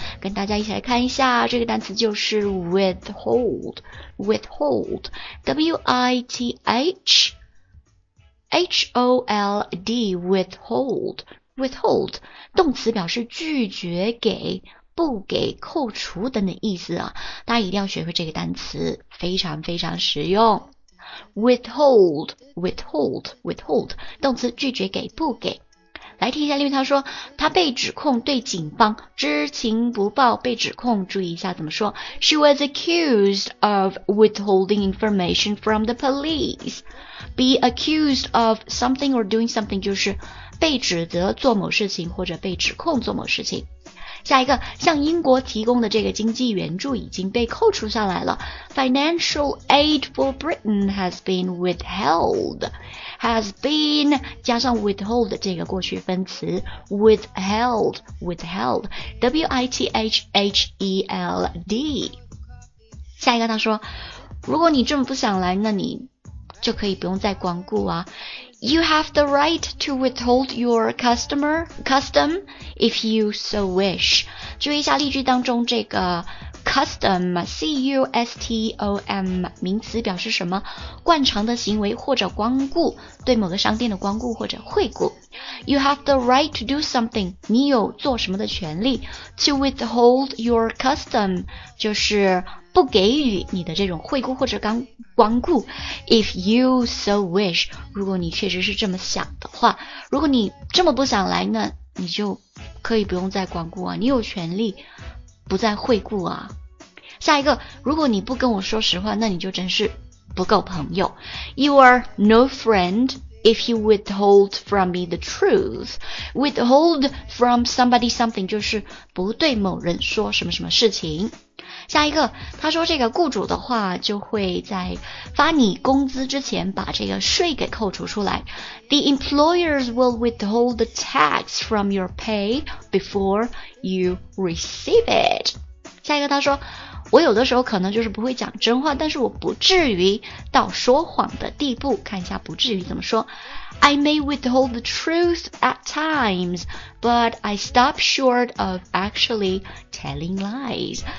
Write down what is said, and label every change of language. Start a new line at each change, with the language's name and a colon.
Chinese: 跟大家一起来看一下，这个单词就是 withhold, withhold, W-I-T-H,H-O-L-D, withhold, withhold, 动词表示拒绝给、不给、扣除等等意思啊，大家一定要学会这个单词，非常非常实用。 withhold, withhold, withhold, 动词拒绝给、不给。来听一下例句，他说他被指控对警方知情不报，被指控，注意一下怎么说。
English: She was accused of withholding information from the police. Be accused of something or doing something
Chinese: 就是被指责做某事情或者被指控做某事情。下一个，向英国提供的这个经济援助已经被扣除下来了。
English: Financial aid for Britain has been withheld. Has been
Chinese: 加上 withhold 这个过去分词 withheld, withheld, W-I-T-H-H-E-L-D。下一个，他说如果你这么不想来，那你就可以不用再光顾啊。
English: You have the right to withhold your custom if you so wish.
Chinese: 注意一下例句当中这个 custom, C-U-S-T-O-M, 名词表示什么？惯常的行为或者光顾，对某个商店的光顾或者惠顾。
English: You have the right to do something,
Chinese: 你有做什么的权利。
English: To withhold your custom,
Chinese: 就是不给予你的这种惠顾或者光顾。
English: If you so wish,
Chinese: 如果你确实是这么想的话，如果你这么不想来，那你就可以不用再光顾啊，你有权利不再惠顾啊。下一个，如果你不跟我说实话，那你就真是不够朋友。
English: You are no friend if you withhold from me the truth. Withhold from somebody something
Chinese: 就是不对某人说什么什么事情。下一个，他说这个雇主的话就会在发你工资之前把这个税给扣除出来。
English: The employers will withhold the tax from your pay before you receive it.
Chinese: 下一个，他说我有的时候可能就是不会讲真话，但是我不至于到说谎的地步。看一下不至于怎么说。
English: I may withhold the truth at times, but I stop short of actually telling lies.